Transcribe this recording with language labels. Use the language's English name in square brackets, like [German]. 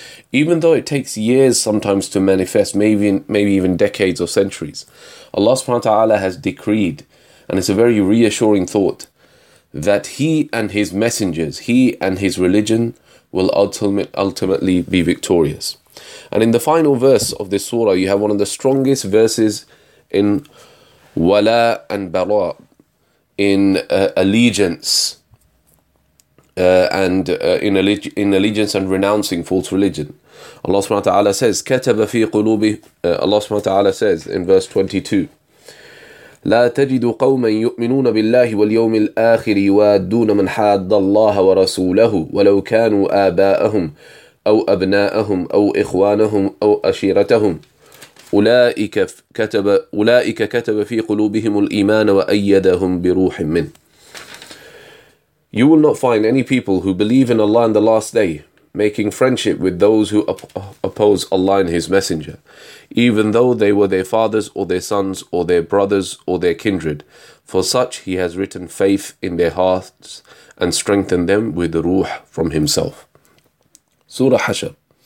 [English] Even though it takes years sometimes to manifest, maybe even decades or centuries, Allah subhanahu wa ta'ala has decreed, and it's a very reassuring thought, that He and His messengers, He and His religion, will ultimately be victorious. And in the final verse of this surah, you have one of the strongest verses in wala and bara, in allegiance and in allegiance and renouncing false religion. Allah subhanahu wa ta'ala says, [Arabic] كَتَبَ فِي قُلُوبِ [English] Allah subhanahu wa ta'ala says in verse 22, [Arabic] لا تجد قوما يؤمنون بالله واليوم الآخر يوادون من حاد الله ورسوله ولو كانوا آباءهم أو أبناءهم أو إخوانهم أو أشيرتهم أولئك كتب في قلوبهم الإيمان وأيدهم بروح منه. [English] You will not find any people who believe in Allah in the last day making friendship with those who oppose Allah and His Messenger, even though they were their fathers or their sons or their brothers or their kindred. For such He has written faith in their hearts and strengthened them with the ruh from Himself. Surah Hashr.